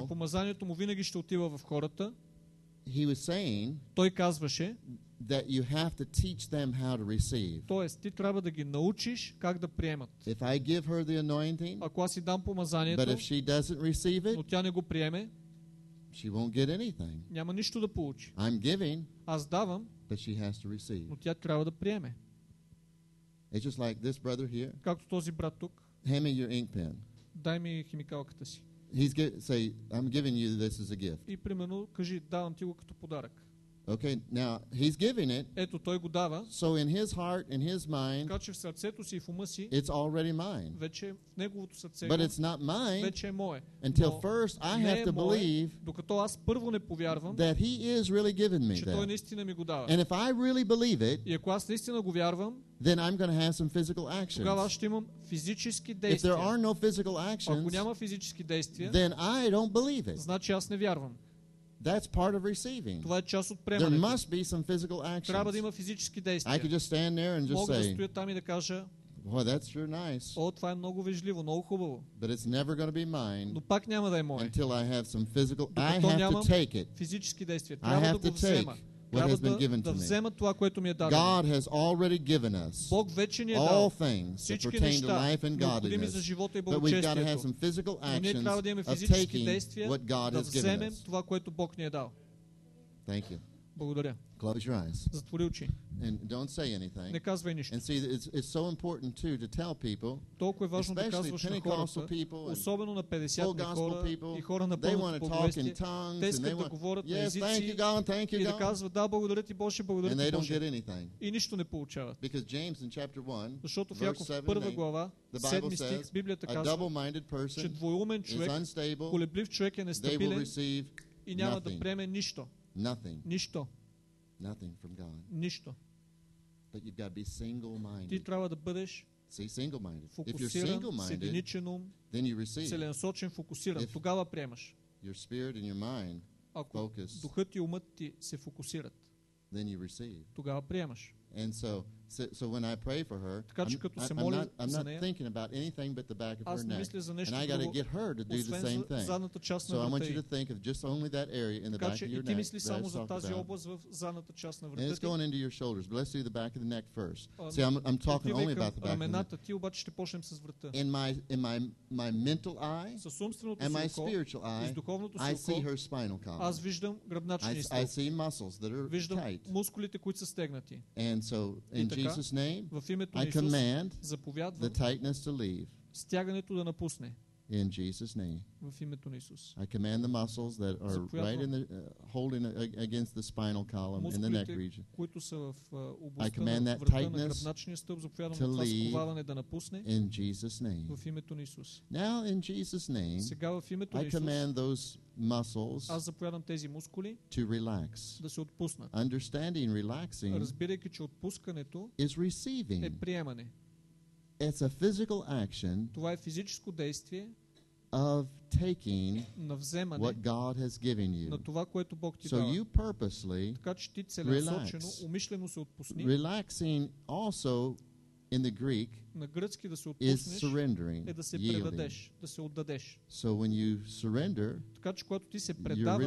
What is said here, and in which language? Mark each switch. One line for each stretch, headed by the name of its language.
Bulgarian: че помазанието му винаги ще отива в хората,
English: he was saying,
Bulgarian: той казваше,
English: that you have to teach them how to receive.
Bulgarian: Тоест, ти трябва да ги научиш как да приемат.
English: If I give her the anointing,
Bulgarian: ако аз си дам помазанието,
English: but if she doesn't receive it,
Bulgarian: но тя не го приеме,
English: she won't get anything.
Bulgarian: Няма нищо да получи.
English: I'm giving,
Bulgarian: аз давам,
English: but she has to receive.
Bulgarian: Но тя трябва да приеме.
English: It's just like this brother here.
Bulgarian: Както този брат тук.
English: Hand me your ink pen.
Bulgarian: Дай ми химикалката си.
English: He's say, I'm giving you this as a gift.
Bulgarian: И примерно кажи, давам ти го като подарък.
English: Okay, now he's giving it.
Bulgarian: Ето той го дава.
English: So in his heart, in his mind,
Bulgarian: така че в сърцето си и в ума си,
English: it's already mine.
Bulgarian: Вече в неговото сърце.
English: But it's not mine.
Bulgarian: Вече е мое.
English: Until first I have to believe.
Bulgarian: Докато аз първо не повярвам.
English: That he is really giving me that.
Bulgarian: Че той наистина ми го дава.
English: And if I really believe it.
Bulgarian: И ако аз наистина го вярвам.
English: Then I'm going to have some physical actions.
Bulgarian: Тогава ще имам физически действия.
English: If there are no physical actions.
Bulgarian: Ако няма физически действия.
English: Then I don't believe it.
Bulgarian: Значи аз не вярвам.
English: That's part of receiving.
Bulgarian: Това е част от приемането.
English: There must be some physical action.
Bulgarian: Трябва да има физически действия.
English: I could just stand there and just say.
Bulgarian: Мога да стоя там и да кажа.
English: Well, that's very nice.
Bulgarian: О, това е много вежливо, много хубаво.
English: But it's never going to be mine.
Bulgarian: Но пак няма да е мое.
English: Until I have some physical, I have to take it.
Bulgarian: Физически действия. Трябва да го взема.
English: What has been given to me.
Bulgarian: Това, което ми е дадено.
English: God has already given us
Bulgarian: Бог вече ни е дал
English: all things that pertain to life and godliness.
Bulgarian: За живота и
English: but we've got to have some physical actions
Bulgarian: да
English: of taking what God
Bulgarian: да
English: has given us.
Bulgarian: Това, което Бог ни е дал.
English: Thank you.
Bulgarian: Благодаря.
English: Close your eyes.
Bulgarian: Затвори очи.
English: And don't say anything.
Bulgarian: Не казвай нищо.
English: And see, it's so important too to tell people,
Bulgarian: толкова е важно да казваш на хората, особено на 50-ни хора и хора на пълното повести, те искат да говорят на езици и да казват, да, благодаря ти Боже, благодаря ти Боже. И нищо не получават. Защото в Яков 1 глава, 7 стих, Библията казва, че двоумен човек, колеблив човек е нестабилен и няма да приеме нищо.
English: Nothing.
Bulgarian: Нищо.
English: Nothing from God.
Bulgarian: Нищо.
English: But you've got to be single-minded.
Bulgarian: Ти трябва да бъдеш
English: single-minded. If you're single-minded,
Bulgarian: единичен ум,
English: then you receive.
Bulgarian: Целенасочен, фокусиран, тогава приемаш.
English: Your spirit and your mind focus.
Bulgarian: Ако духът и умът ти се фокусират,
English: then you receive.
Bulgarian: Тогава приемаш.
English: And so when I pray for her,
Bulgarian: така, че, като се моля за нея,
English: I'm not thinking about anything but the back of her neck.
Bulgarian: Аз мисля за нещо
English: and I got to get her to do the same thing.
Bulgarian: Задната част на врата.
English: So I want you to think of just only that area in the back of your neck.
Bulgarian: Ти мисли само за тази област в задната част на врата.
English: And it's going into your shoulders. But let's do the back of the neck first. See, I'm talking only about the back of the neck.
Bulgarian: Ти обаче ще почнем с врата.
English: In my mental eye,
Bulgarian: с умственото
English: and my spiritual eye, I see her spinal column.
Bulgarian: Аз виждам гръбначния стълб.
English: I see muscles that are
Bulgarian: виждам
English: tight.
Bulgarian: Виждам мускулите, които са стегнати.
English: And so in Jesus' name, I command the tightness to leave.
Bulgarian: Стягането да напусне.
English: In Jesus' name.
Bulgarian: В името на Исус.
English: I command the muscles that are right in the holding against the spinal column in the neck region.
Bulgarian: Които са в
English: I command
Bulgarian: на
English: that tightness
Bulgarian: на гръбначния стълб, заповядвам това сковаване да напусне.
English: In Jesus' name.
Bulgarian: В името на Исус.
English: Now in Jesus' name.
Bulgarian: Сега в името на Исус.
English: I command those muscles.
Bulgarian: Аз заповядвам тези мускули.
English: To relax.
Bulgarian: Да се отпуснат.
English: Understanding relaxing.
Bulgarian: Разбирайки, че отпускането
English: is receiving.
Bulgarian: Е приемане.
English: It's a physical action.
Bulgarian: Това е физическо действие.
English: Of taking
Bulgarian: навземане,
English: what God has given you.
Bulgarian: На това, което Бог ти дава.
English: So you purposely
Bulgarian: така, че ти целенасочено, умишлено се отпусни.
English: Relaxing also in the Greek
Bulgarian: на гръцки да се отпуснеш,
English: is surrendering,
Bulgarian: е да се предадеш, да се отдадеш.
English: So when you surrender,
Bulgarian: така, че когато ти се предаваш,